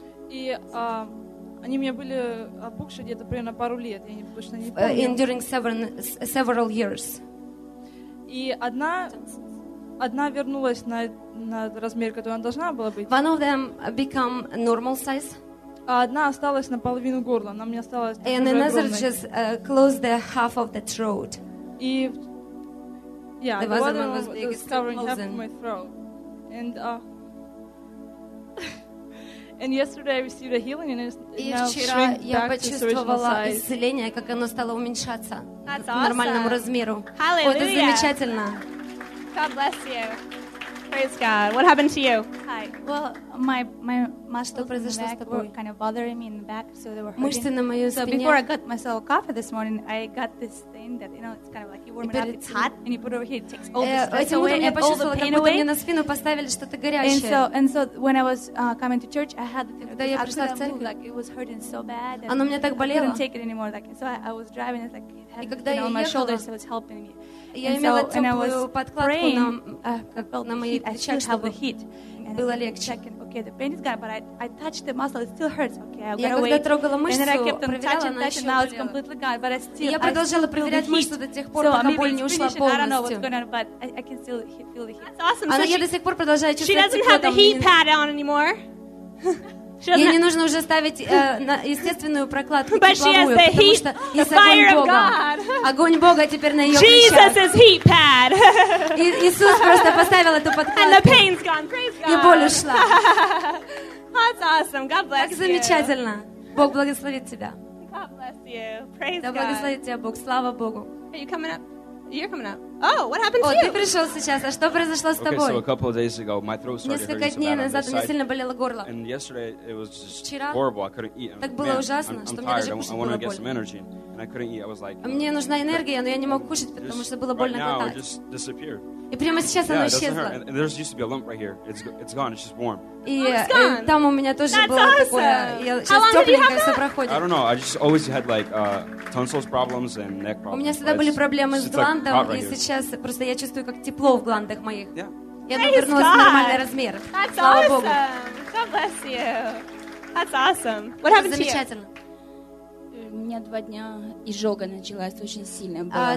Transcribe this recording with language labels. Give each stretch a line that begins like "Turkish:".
Russian: И они у меня были опухшие где-то примерно пару лет. Я точно не помню.
English: And during several years.
Russian: И одна... Одна вернулась на размер, который она должна была быть.
English: One of them become normal size.
Russian: А одна осталась на половину горла. Она мне осталась.
English: And another just closed the half of the throat.
Russian: И
English: yeah, the other one was just covering half of my throat. And and yesterday I received a healing and it's now shrinking back to its original size.
Russian: И вчера я почувствовала исцеление, как оно стало уменьшаться к нормальному размеру.
English: Hallelujah.
Russian: Это замечательно.
English: God bless you. Praise God. What happened to you? Hi. Well, my muscles in the back were kind of bothering me in the back, so they were hurting. So before I got myself coffee this morning, I got this thing that, you know, it's kind of like you warm it up, it's hot, and you put it over here, it takes all the stress away and all the pain away. And so when I was coming to church, I had the thing that I couldn't move, like it was hurting so bad, and I couldn't take it anymore. Like, so I was driving, it's like it had been on my shoulders, so it's helping me.
Russian: Я имела теплую подкладку на моей плече, чтобы было легче.
English: Okay, the pain is gone, but I touched the muscle, it still hurts. Okay, I'm gonna wait.
Russian: Я когда трогала мышцу,
English: and then I kept on touching, touching, now it's completely gone, but
Russian: я продолжала проверять мышцу до тех пор, пока боль не ушла полностью.
English: I don't know what's going on, but I can still feel the heat. That's awesome.
Russian: А я до сих пор продолжаю чувствовать тепло.
English: She doesn't have the heat pad on anymore.
Russian: Ей не нужно уже ставить на естественную прокладку тепловую, потому что есть огонь Бога. Огонь Бога теперь на ее плечах. Иисус просто поставил эту подкладку. И боль ушла. Как замечательно. Бог благословит тебя. Да благословит тебя Бог. Слава Богу.
English: You're coming up. Oh, what happened to you?
Russian: Ты пришел сейчас. А что произошло с тобой?
English: Okay, so a couple of days ago, my throat started hurting.
Russian: Несколько дней назад у меня сильно болело горло.
English: And yesterday it was just horrible. I couldn't eat.
Russian: Так было ужасно, что мне даже кушать было больно.
English: I wanted some energy, and I couldn't eat. I was like.
Russian: Мне нужна энергия, но я не мог кушать, потому что было больно глотать.
English: Right now, it just disappeared.
Russian: И прямо сейчас оно исчезло.
English: Yeah, it doesn't hurt. There used to be a lump right here. It's gone. It's just warm.
Russian: И там у меня тоже было такое.
English: How long did you have that? I don't know. I just always had like tonsils problems and neck problems.
Russian: У меня всегда были проблемы с гландом, и сейчас просто я чувствую, как тепло в гландах моих.
English: Yeah.
Russian: Я вернулась в нормальный размер.
English: That's awesome. God bless you. That's awesome. What happened to you?
Russian: Замечательно. У меня два дня изжога началась очень сильно была.